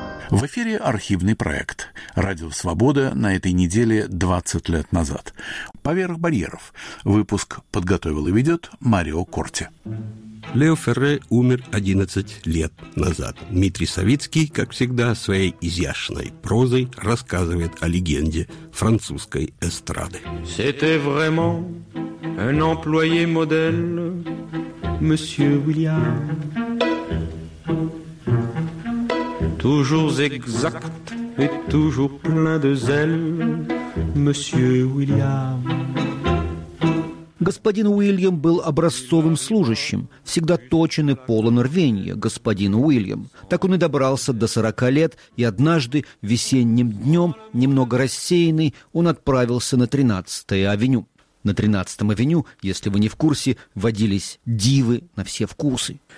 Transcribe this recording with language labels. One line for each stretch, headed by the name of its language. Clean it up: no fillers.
Russian: В эфире архивный проект «Радио Свобода» на этой неделе 20 лет назад. «Поверх барьеров». Выпуск подготовил и ведет Марио Корти. Лео Ферре умер 11 лет назад. Дмитрий Савицкий, как всегда, своей изящной прозой рассказывает о легенде французской эстрады.
French: C'était vraiment un employé modèle, monsieur William. Toujours exact et toujours plein de zèle, monsieur William.
Russian: Господин Уильям был образцовым служащим, всегда точен и полон рвения, господин Уильям. Так он и добрался до 40 лет, и однажды, весенним днем, немного рассеянный, он отправился на 13-е авеню. На 13-м авеню, если вы не в курсе, водились дивы на все вкусы.